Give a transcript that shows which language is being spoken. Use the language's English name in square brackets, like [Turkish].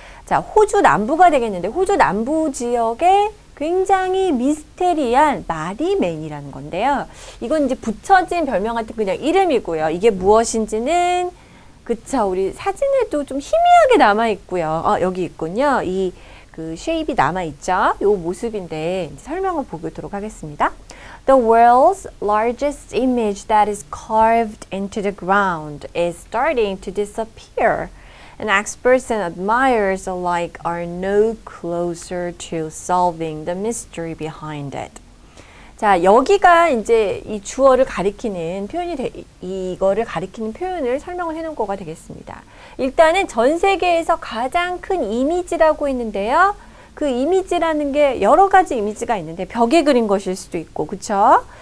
[Korean] 자, 호주 남부가 되겠는데 호주 남부 지역에 굉장히 미스테리한 마리맨이라는 건데요. 이건 이제 붙여진 별명 같은 그냥 이름이고요. 이게 무엇인지는 그쵸. 우리 사진에도 좀 희미하게 남아 있고요. 여기 있군요. 이 그 쉐입이 남아 있죠. 요 모습인데 이제 설명을 보도록 하겠습니다. [English] The world's largest image that is carved into the ground is starting to disappear. And experts and admirers alike are no closer to solving the mystery behind it. [Korean] 자, 여기가 이제 이 주어를 가리키는 표현이 이거를 가리키는 표현을 설명을 해놓은 거가 되겠습니다. 일단은 전 세계에서 가장 큰 이미지라고 있는데요. 그 이미지라는 게 여러 가지 이미지가 있는데 벽에 그린 것일 수도 있고, 그쵸?